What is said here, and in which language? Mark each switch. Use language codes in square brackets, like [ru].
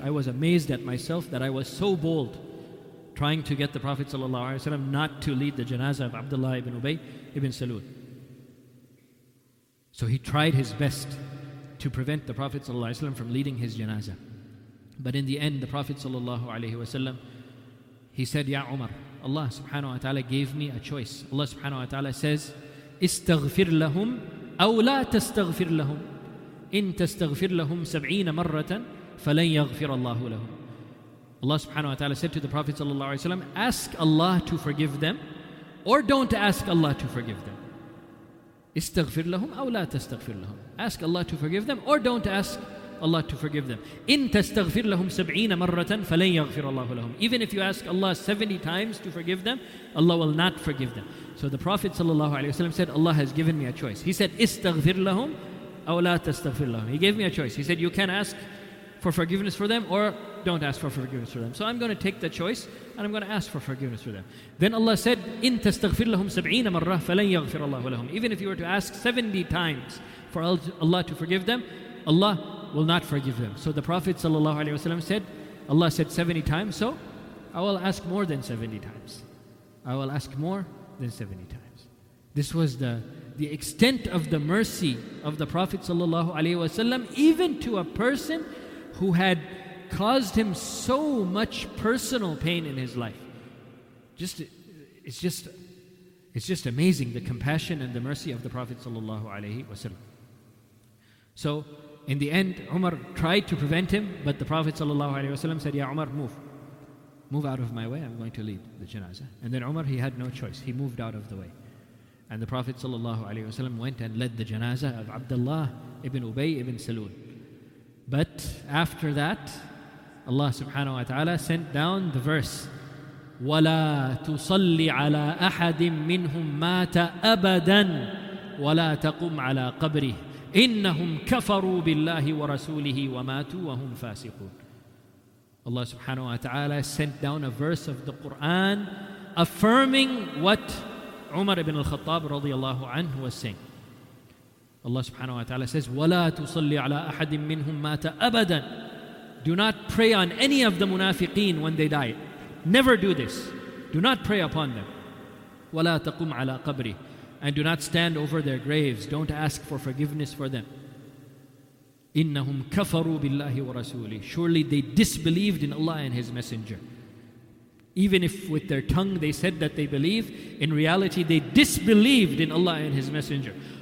[en] I was amazed at myself that I was so bold trying to get the Prophet sallallahu alaihi wasallam not to lead the janazah of Abdullah ibn Ubay ibn Salul. So he tried his best to prevent the Prophet ﷺ from leading his janazah. But in the end, the Prophet ﷺ, he said, Ya Umar, Allah subhanahu wa ta'ala gave me a choice. Allah subhanahu wa ta'ala says, [ar] استغفر لهم أو لا تستغفر لهم إن تستغفر لهم سبعين مرة فلن يغفر الله لهم. [en] Allah subhanahu wa ta'ala said to the Prophet sallallahu alayhi wa sallam, ask Allah to forgive them or don't ask Allah to forgive them. [ar] استغفر لهم أو لا تستغفر لهم. [en] Ask Allah to forgive them or don't ask Allah to forgive them. [ar] إن تستغفر لهم سبعين مرة فلن يغفر الله لهم. [en] Even if you ask Allah 70 times to forgive them, Allah will not forgive them. So the Prophet sallallahu alayhi wa sallam said, Allah has given me a choice. He said, [ar] استغفر لهم أو لا تستغفر لهم. [en] He gave me a choice. He said, you can ask for forgiveness for them or don't ask for forgiveness for them. So I'm going to take the choice and I'm going to ask for forgiveness for them. Then Allah said, [ar] إِن تَسْتَغْفِرْ لَهُمْ سَبْعِينَ مَرَّةً فَلَنْ يَغْفِرَ اللَّهُ لَهُمْ. [en] Even if you were to ask 70 times for Allah to forgive them, Allah will not forgive them. So the Prophet ﷺ said, Allah said 70 times, so I will ask more than 70 times. I will ask more than 70 times. This was the extent of the mercy of the Prophet ﷺ, even to a person who had caused him so much personal pain in his life. It's just amazing the compassion and the mercy of the Prophet sallallahu alaihi wasallam. So in the end, Umar tried to prevent him, but the Prophet sallallahu alaihi wasallam said, Ya Umar, move out of my way, I'm going to lead the janazah. And then Umar, he had no choice, he moved out of the way, and the Prophet sallallahu alaihi wasallam went and led the janazah of Abdullah ibn Ubay ibn Salul. But after that, Allah subhanahu wa ta'ala sent down the verse, [ar] وَلَا تُصَلِّ عَلَىٰ أَحَدٍ مِّنْهُمْ مَاتَ أَبَدًا وَلَا تَقُمْ عَلَىٰ قَبْرِهِ إِنَّهُمْ كَفَرُوا بِاللَّهِ وَرَسُولِهِ وَمَاتُوا وَهُمْ فَاسِقُونَ. [en] Allah subhanahu wa ta'ala sent down a verse of the Qur'an affirming what Umar ibn al-Khattab radiallahu anhu was saying. Allah subhanahu wa ta'ala says, [ar] وَلَا تُصَلِّ عَلَىٰ أَحَدٍ مِّنْهُمْ مَاتَ أَبَدًا. [en] Do not pray on any of the munafiqeen when they die. Never do this. Do not pray upon them. [ar] وَلَا تَقُمْ عَلَىٰ قَبْرِ. [en] And do not stand over their graves. Don't ask for forgiveness for them. [ar] إِنَّهُمْ كَفَرُوا بِاللَّهِ وَرَسُولِهِ. [en] Surely they disbelieved in Allah and His Messenger. Even if with their tongue they said that they believe, in reality they disbelieved in Allah and His Messenger.